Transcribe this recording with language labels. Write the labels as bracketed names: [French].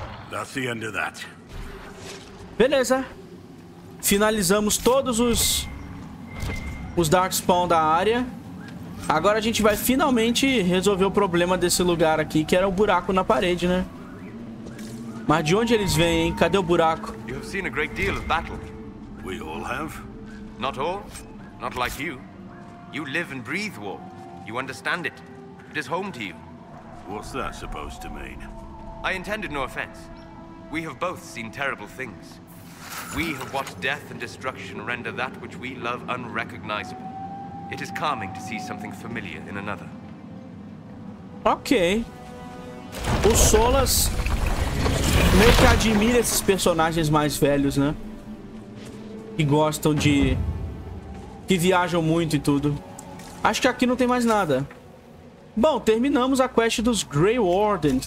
[English] That's the end of that. [Portuguese] Beleza. Finalizamos todos os Darkspawn da área. Agora a gente vai finalmente resolver o problema desse lugar aqui, que era o buraco na parede, né? Mas de onde eles vêm, hein? Cadê o buraco? [English] You have seen a great deal of battle. We all have. Not all. Not like you. You live and breathe war. You understand it. It is home to you. What's that supposed to mean? I intended no offense. We have both seen terrible things. We have watched death and destruction render that which we love unrecognizable. It is calming to see something familiar in another. Ok. [Portuguese] O Solas meio que admira esses personagens mais velhos, né? Que gostam de... Que viajam muito e tudo. Acho que aqui não tem mais nada. Bom, terminamos a quest dos Grey Wardens.